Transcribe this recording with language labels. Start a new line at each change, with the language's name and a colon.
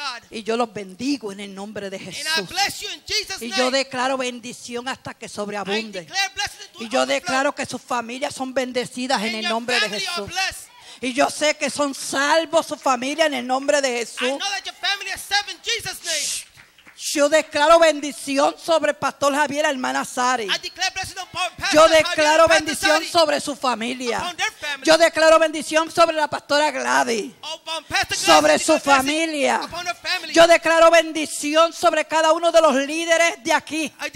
Spanish: Y yo los bendigo en el nombre de Jesús.
English: And I bless you in Jesus'
Spanish: name. Y yo declaro bendición hasta que sobreabunde.
English: I declare blessing to
Spanish: y yo declaro que sus familias son bendecidas
English: and
Spanish: en el nombre de Jesús. Y yo sé que son salvos su familia en el nombre de Jesús.
English: I know that your family is saved in Jesus' name.
Spanish: Yo declaro bendición sobre Pastor Javier, hermana Sari. Yo declaro bendición sobre su familia. Yo declaro bendición sobre la pastora Gladys, sobre su familia. Yo declaro bendición sobre cada uno de los líderes de aquí.